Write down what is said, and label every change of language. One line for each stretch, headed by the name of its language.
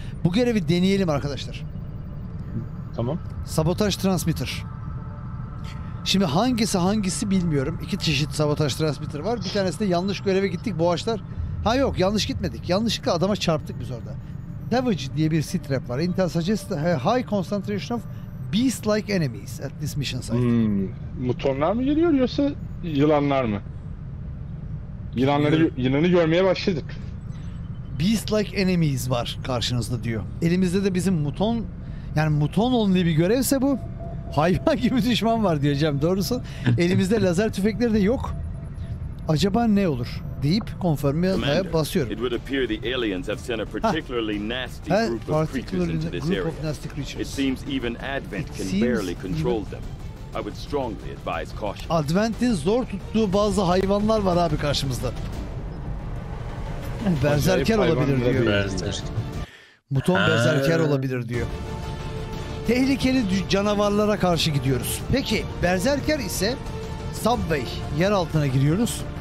Turkish: Bu görevi deneyelim arkadaşlar. Tamam. Sabotaj transmitter. Şimdi hangisi hangisi bilmiyorum. İki çeşit sabotaj transmitter var. Bir tanesinde yanlış göreve gittik. Boğaçlar... Ha yok, yanlış gitmedik. Yanlışlıkla adama çarptık biz orada. Devage diye bir strap var.
English: Intel suggest high concentration of beast-like enemies at this mission site. Hmm.
Turkish: Mutonlar mı geliyor yoksa yılanlar mı? Yılanı görmeye başladık.
English: Beast-like enemies
Turkish: var karşınızda diyor. Elimizde de bizim muton, yani muton olan diye bir görevse bu. Hayvan gibi düşman var diyor Cem, doğrusu. Elimizde lazer tüfekleri de yok. Acaba ne olur deyip konfirmaya basıyorum.
English: It would appear the aliens have sent a particularly nasty group of nasty creatures. It seems even Advent can barely control them. I would strongly advise caution.
Turkish: Advent'in zor tuttuğu bazı hayvanlar var abi karşımızda. Berserker olabilir diyor. Muton berserker olabilir diyor. Tehlikeli canavarlara karşı gidiyoruz. Peki berserker ise subway yer altına giriyoruz.